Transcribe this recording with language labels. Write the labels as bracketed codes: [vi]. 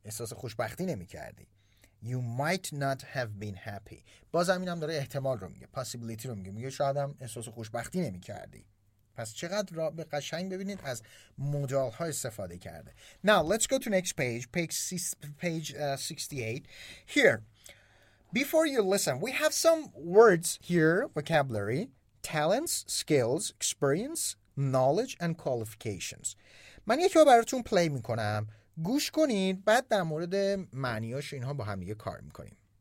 [fa] احساس خوشبختی نمی کردی. [en] You might not have been happy. [fa] بازم اینم داره احتمال رو میگه. Possibility رو میگه. میگه شایدم احساس خوشبختی نمی کردی. پس چقدر به قشنگ ببینید از مدال ها استفاده کرده. [en] Now let's go to next page. Page 68. Here. Before you listen, we have some words here, vocabulary, talents, skills, experience, knowledge and qualifications. [fa] من یکی رو براتون پلی میکنم. گوش کنید بعد در مورد معنیاش اینها با هم یه کار میکنیم.